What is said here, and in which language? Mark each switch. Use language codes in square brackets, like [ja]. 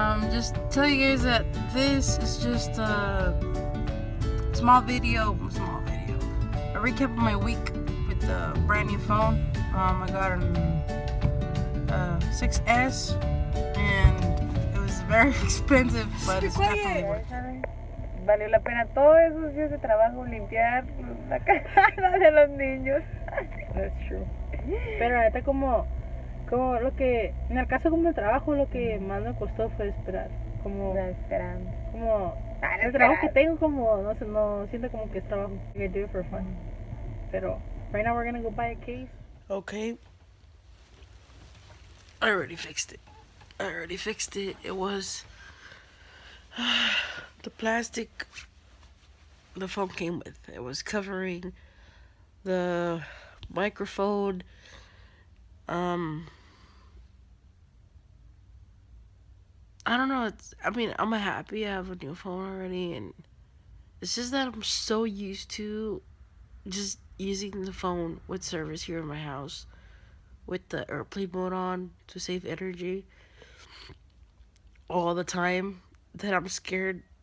[en] just tell you guys that this is just a small video, a recap of my week with the brand new phone. I got a 6S, and it was very expensive, but it's definitely worth it. [es] Valió la pena todos esos días de trabajo limpiar la cara de los niños. [en] That's true. [es] Pero la neta, como lo que, en el caso como el trabajo, lo que más me costó fue esperar. Como la esperanza. Como el trabajo que tengo, como no sé, no siento como que es trabajo. [en] I do it for fun. [es] Pero [en] right now we're gonna go buy a case. Okay. I already fixed it. It was the plastic the phone came with. It was covering the microphone, I don't know, I'm happy I have a new phone already, and it's just that I'm so used to just using the phone with service here in my house with the airplane mode on to save energy all the time that I'm scared